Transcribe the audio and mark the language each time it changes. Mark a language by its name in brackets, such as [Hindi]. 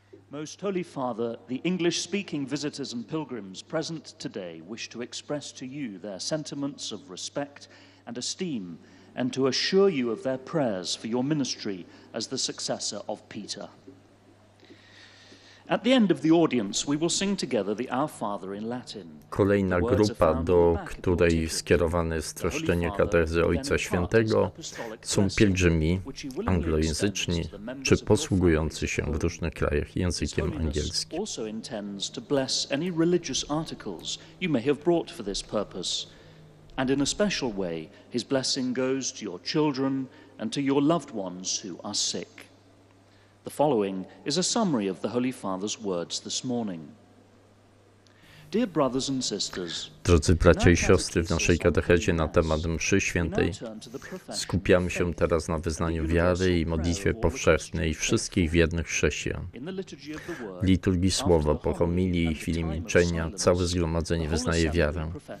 [English] Most Holy Father, the English-speaking visitors and pilgrims present today wish to express to you their sentiments of respect and esteem and to assure you of their prayers for your ministry as the successor of Peter. At the end of the audience, we will sing together the Our Father in Latin. [Polish] Kolejna grupa, do której skierowane jest streszczenie katechezy Ojca Świętego, są pielgrzymi anglojęzyczni czy posługujący się w różnych krajach językiem angielskim. [English] Also intends to bless any religious articles you may have brought for this purpose, and in a special way, his blessing goes to your children and to your loved ones who are sick. The following is a summary of the Holy Father's words this morning. Dear brothers and sisters, [Polish] drodzy bracia i siostry, w naszej katechezie na temat mszy świętej skupiamy się teraz na wyznaniu wiary i modlitwie powszechnej wszystkich wiernych chrześcijan. W liturgii słowa, po homilii i chwili milczenia całe zgromadzenie wyznaje wiarę.